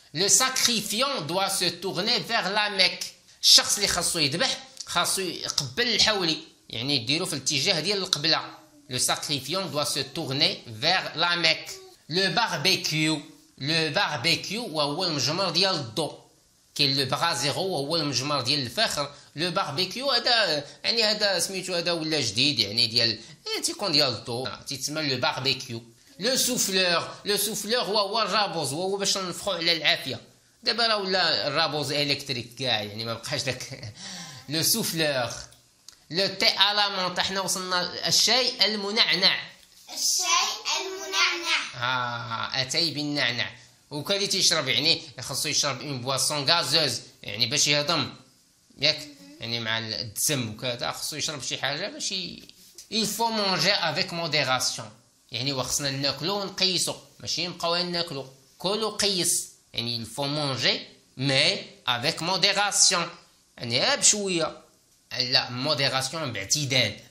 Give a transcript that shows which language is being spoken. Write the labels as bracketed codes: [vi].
[fr] Le sacrifiant doit se tourner vers la Mecque. [ar] الشخص اللي خاصو يذبح خاصو يقبل الحولي، يعني يديرو في الاتجاه ديال القبلة. [fr] Le sacrifiant doit se tourner vers la Mecque. Le barbecue. [ar] Le barbecue وهو المجمر ديال الضو. كاين لو برا زيرو وهو المجمر ديال الفخر. لو باربيكيو هذا يعني هذا سميتو هذا ولا جديد، يعني ديال تيكون ديال الضو، تيتسمى لو باربيكيو. لو سوفلور. لو سوفلور هو الرابوز، وهو باش ننفخو على العافيه. دابا راه ولا الرابوز الكتريك كاع، يعني ما بقاش داك لو سوفلور. [fr] لو تي ا لا مونت. [ar] حنا وصلنا الشاي المنعنع. الشاي المنعنع. اتاي بالنعنع. وكالي تيشرب يعني خاصو يشرب [fr] اون بواسون غازوز، [ar] يعني باش يهضم، ياك؟ يعني مع الدسم وكذا خاصو يشرب شي حاجه باش [fr] il faut manger avec modération، [ar] يعني وخصنا ناكلو ونقيسو، ماشي نبقاو ناكلو. كل وقيس، يعني [fr] il faut manger mais avec modération، [ar] يعني بشويه. لا modération باعتدال.